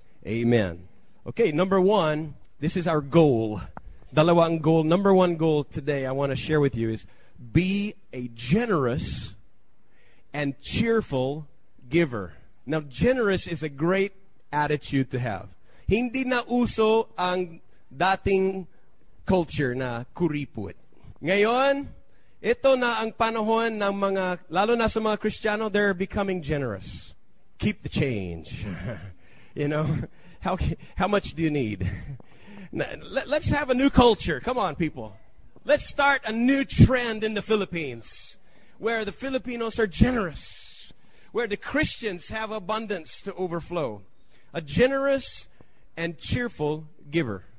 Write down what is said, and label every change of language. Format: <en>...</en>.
<en>Amen. Okay, number one. This is our goal.</en> <tl>Dalawang goal.</tl> <en>Number one goal today I want to share with you is be a generous and cheerful giver. Now, generous is a great attitude to have.</en> <tl>Hindi na uso ang dating culture na kuripuit. Ngayon, ito na ang panahon ng mga, lalo na sa mga Kristiyano,</tl> <en>they're becoming generous. Keep the change. You know, how much do you need? Let's have a new culture. Come on, people. Let's start a new trend in the Philippines where the Filipinos are generous. where the Christians have abundance to overflow. A generous and cheerful giver.</en>